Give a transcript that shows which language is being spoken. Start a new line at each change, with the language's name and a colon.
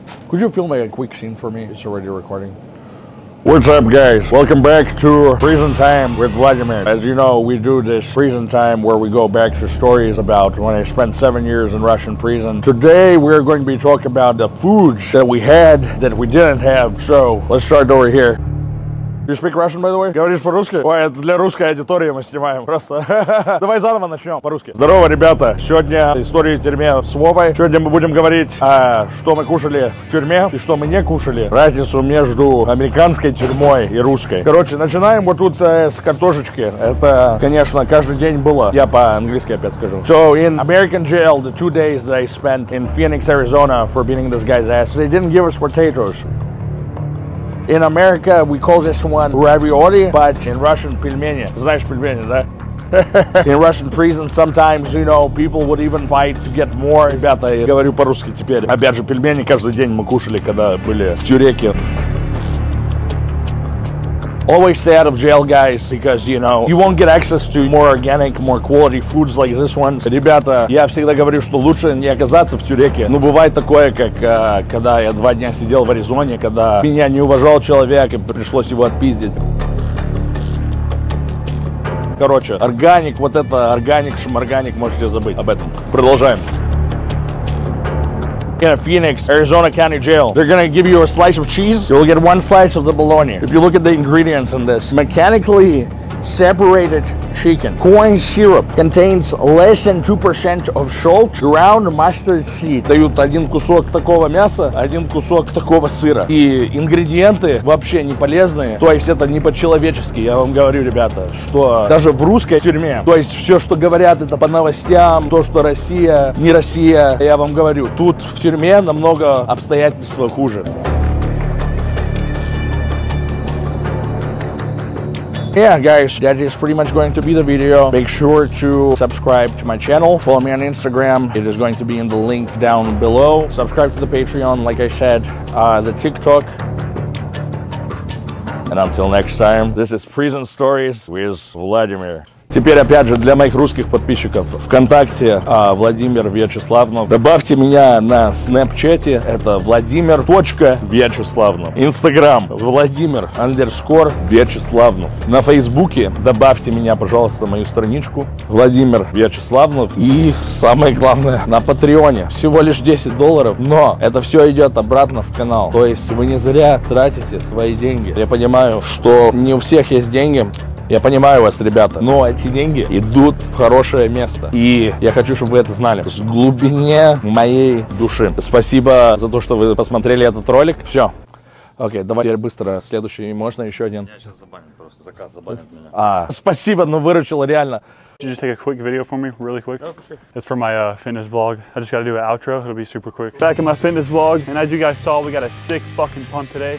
English: Could you film a quick scene for me? It's already recording. What's up, guys? Welcome back to Prison Time with Vladimir. As you know, we do this prison time where we go back to stories about when I spent 7 years in Russian prison. Today, we're going to be talking about the foods that we had that we didn't have. So, let's start over here. Do you speak Russian, by the way?
Russian: Говоришь по-русски? Ой, это для русской аудитории мы снимаем. Просто. Давай заново начнем по-русски. Здорово, ребята. Сегодня история тюрьмы с Вовой. Сегодня мы будем говорить, что мы кушали в тюрьме и что мы не кушали. Разницу между американской тюрьмой и русской. Короче, начинаем вот тут с картошечки. Это, конечно, каждый день было. Я по-английски опять скажу.
English: So, in American jail, the 2 days that I spent in Phoenix, Arizona for beating this guy's ass, they didn't give us potatoes. In America, we call this one ravioli, but in Russian, пельмени.
Russian: Знаешь, пельмени, да?
English: In Russian prison, sometimes, you know, people would even fight to get more.
Russian: Ребята, я говорю по-русски теперь. Опять же, пельмени каждый день мы кушали, когда были в тюреке.
English: Always stay out of jail, guys, because, you know, you won't get access to more organic, more quality foods like this one.
Russian: Ребята, я всегда говорю, что лучше не оказаться в тюреке. Но бывает такое, как когда я 2 дня сидел в Аризоне, когда меня не уважал человек и пришлось его отпиздить. Короче, органик, вот это, органик, шмарганик, можете забыть об этом. Продолжаем.
English: in a Phoenix, Arizona County Jail. They're gonna give you a slice of cheese. You'll get one slice of the bologna. If you look at the ingredients in this, mechanically separated chicken. Corn syrup contains less than 2% of salt, ground mustard seed.
Russian: Дают один кусок такого мяса, один кусок такого сыра. И ингредиенты вообще не полезные. То есть это не по-человечески, я вам говорю, ребята, что даже в русской тюрьме, то есть все, что говорят, это по новостям, то, что Россия, не Россия, я вам говорю, тут в тюрьме намного обстоятельства хуже.
English: Yeah, guys, that is pretty much going to be the video. Make sure to subscribe to my channel. Follow me on Instagram. It is going to be in the link down below. Subscribe to the Patreon, like I said, the TikTok. And until next time, this is Prison Stories with Vladimir.
Russian: Теперь, опять же, для моих русских подписчиков ВКонтакте, Владимир Вячеславнов. Добавьте меня на снэпчете, это Владимир.Вячеславнов. Инстаграм Владимир_Вячеславнов. На Фейсбуке добавьте меня, пожалуйста, на мою страничку Владимир Вячеславнов. И самое главное, на Патреоне. Всего лишь $10, но это все идет обратно в канал. То есть вы не зря тратите свои деньги. Я понимаю, что не у всех есть деньги. Я понимаю вас, ребята, но эти деньги идут в хорошее место. И я хочу, чтобы вы это знали с глубины моей души. Спасибо за то, что вы посмотрели этот ролик. Все. Окей, давай теперь быстро следующий. Можно еще один? Я сейчас забаню, просто заказ забанят меня. А, спасибо, но выручил реально.
English: Could you just take a quick video for me, really quick? Oh, sure. It's for my fitness vlog. I just gotta do an outro, it'll be super quick. Back in my fitness vlog, and as you guys saw, we got a sick fucking pump today.